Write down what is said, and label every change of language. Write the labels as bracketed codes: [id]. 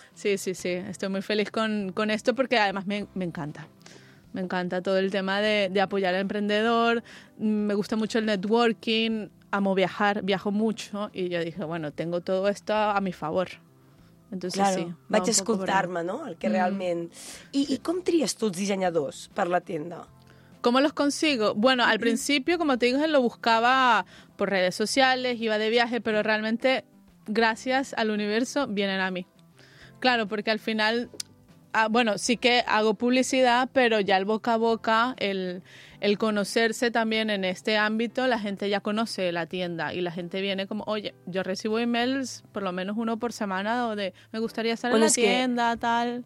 [es] Sí, sí, sí. Estoy muy feliz con esto porque además me encanta. Me encanta todo el tema de apoyar al emprendedor. Me gusta mucho el networking. Amo viajar. Viajo mucho. Y yo dije, bueno, tengo todo esto a mi favor. Entonces, claro, sí, [ca] vaig escoltar-me, no? El que realment... I com tries tu els dissenyadors per la tienda? [es] ¿Cómo los consigo? Bueno, al principio, como te digo, lo buscaba por redes sociales, iba de viaje, pero realmente, gracias al universo, vienen a mí. Claro, porque al final, bueno, sí que hago publicidad, pero ya el boca a boca, el conocerse también en este ámbito, la gente ya conoce la tienda y la gente viene como, oye, yo recibo emails por lo menos uno por semana o de, me gustaría estar bueno, en la tienda, tal.